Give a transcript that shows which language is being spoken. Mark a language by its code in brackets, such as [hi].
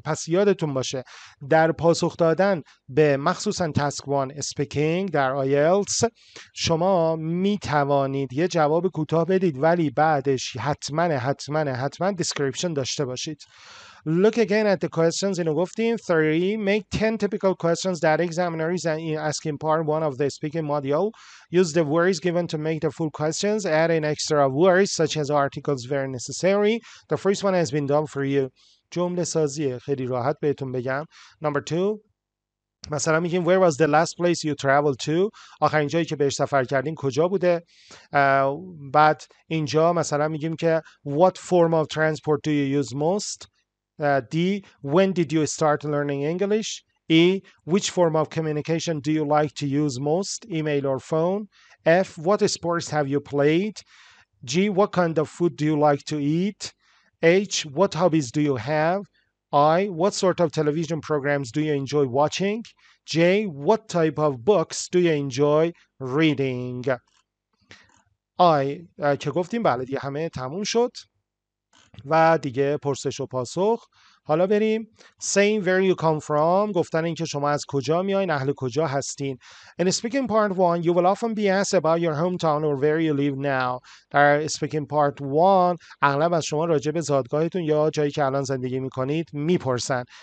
[fa] پس یادتون باشه در پاسخ دادن به مخصوصا task 1 speaking در IELTS شما میتوانید یه جواب کوتاه بدید ولی بعدش حتما description داشته باشید. [en] Look again at the questions in 3. Make 10 typical questions that examiners ask in part 1 of the speaking module. Use the words given to make the full questions. Add in extra words such as articles where necessary. The first one has been done for you. [fa] جمله سازیه، خیلی راحت بهتون بگم. [en] Number 2. [fa] مثلا میگیم [en] where was the last place you traveled to؟ [fa] آخرین جایی که بهش سفر کردین کجا بوده؟ بعد اینجا مثلا میگیم که [en] what form of transport do you use most؟ D. When did you start learning English? E. Which form of communication do you like to use most? Email or phone? F. What sports have you played? G. What kind of food do you like to eat? H. What hobbies do you have? I. What sort of television programs do you enjoy watching? J. What type of books do you enjoy reading? I. [fa] که گفتیم بله دیگه همه تموم شد و دیگه پرسش و پاسخ. حالا بریم [en] saying where you come from، [fa] گفتن اینکه شما از کجا میایین، اهل کجا هستین. [en] In speaking part 1 you will often be asked about your hometown or where you live now. [fa] در speaking part 1 اغلب از شما راجع به زادگاهتون یا جایی که الان زندگی میکنید میپرسن.